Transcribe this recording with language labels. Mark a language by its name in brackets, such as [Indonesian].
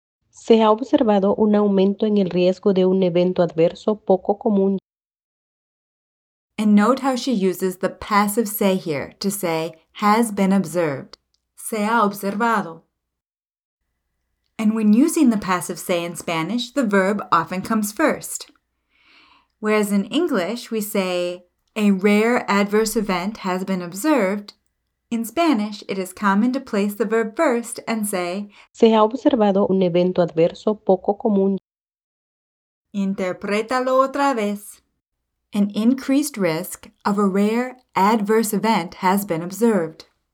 [Spanish] Se ha observado un aumento en el riesgo de un evento adverso poco común. [English] And note how she uses the passive se here to say has been observed. [Spanish] Se ha observado. [English] And when using the passive se in Spanish, the verb often comes first. Whereas in English, we say a rare adverse event has been observed. In Spanish, it is common to place the verb first and say, [Spanish] se ha observado un evento adverso poco común. Interprétalo otra vez. [English] An increased risk of a rare adverse event has been observed.